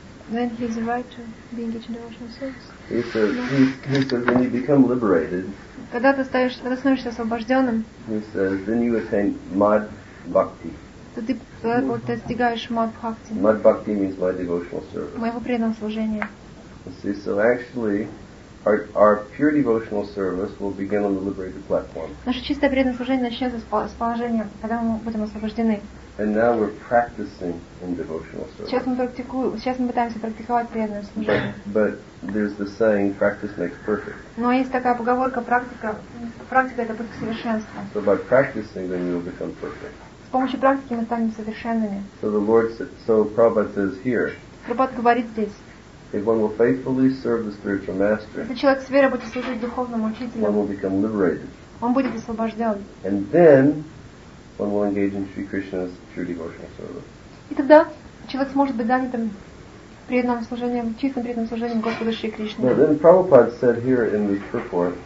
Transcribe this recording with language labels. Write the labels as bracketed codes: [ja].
[en] When he is right to be engaged in devotional service. He says, when you become liberated. [ru] Когда ты ставишь, когда становишься освобожденным. [en] He says, then you attain Мадбхакти. [ru] То ты достигаешь Мадбхакти. [en] Мадбхакти means my devotional service. [ru] Моего преданного служения. [en] See, so actually, our pure devotional service will begin on the liberated platform. [ru] Наше чистое преданное служение начнется с положения, когда мы будем освобождены. [en] And now we're practicing in devotional service. [ru] Сейчас мы пытаемся практиковать преданное служение. [en] But there's the saying, practice makes perfect. [ru] Но есть такая поговорка, практика это путь к совершенству. [en] So by practicing, then you'll become perfect. [ru] С помощью практики мы станем совершенными. [en] So the Lord said, so Prabhupada says here. [ru] Прабхупад говорит здесь. [en] If one will faithfully serve the spiritual master, [ru] если человек с верой будет служить духовному учителю, [en] one will become liberated. [ru] Он будет освобожден. [en] And then one will engage in Sri Krishna's true devotional service. [ru] И тогда человек сможет быть занятым преданным служением, чистым преданным служением Господу Шри Кришне. [en] Now then Prabhupada said here in this purport.